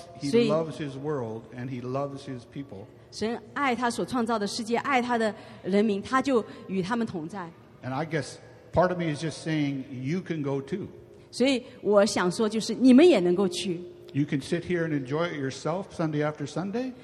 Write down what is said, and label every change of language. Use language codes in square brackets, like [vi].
[en] He loves His world and He loves His people. [zh] 神爱他所创造的世界，爱他的人民，他就与他们同在。And [en] I guess part of me is just saying you can go too. [zh] 所以我想说，就是你们也能够去。You [en] can sit here and enjoy it yourself Sunday after Sunday.